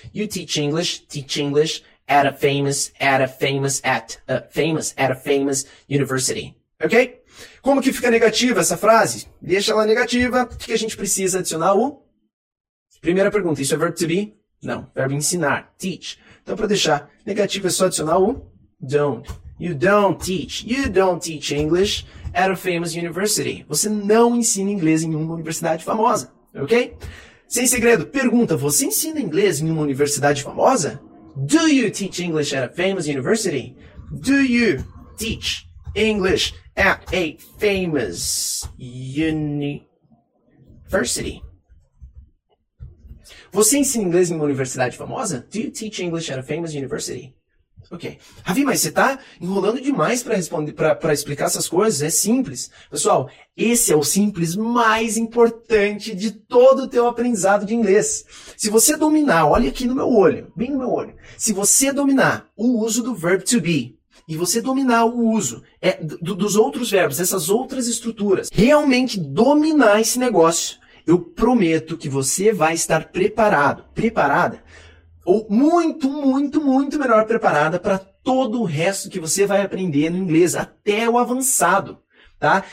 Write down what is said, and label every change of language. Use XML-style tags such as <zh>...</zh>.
<en>You teach English at a famous university, ok?</en> <pt>Como que fica negativa essa frase? Deixa ela negativa, porque a gente precisa adicionar o... Primeira pergunta, isso é verbo to be? Não, verbo ensinar, teach. Então, para deixar negativa, é só adicionar o...</pt> <en>Don't. You don't teach. You don't teach English at a famous university.</en> <pt>Você não ensina inglês em uma universidade famosa, ok? Sem segredo, pergunta, você ensina inglês em uma universidade famosa?</pt> <en>Do you teach English at a famous university? Do you teach English at a famous university?</en> <pt>Você ensina inglês em uma universidade famosa?</pt> <en>Do you teach English at a famous university? Ok.</en> <pt>Ravi, mas você tá enrolando demais para responder, para explicar essas coisas? É simples. Pessoal, esse é o simples mais importante de todo o teu aprendizado de inglês. Se você dominar, olha aqui no meu olho, bem no meu olho. Se você dominar o uso do verb to be, e você dominar o uso dos outros verbos, essas outras estruturas, realmente dominar esse negócio, eu prometo que você vai estar preparado, preparada, ou muito, muito, muito melhor preparada para todo o resto que você vai aprender no inglês, até o avançado, tá?</pt>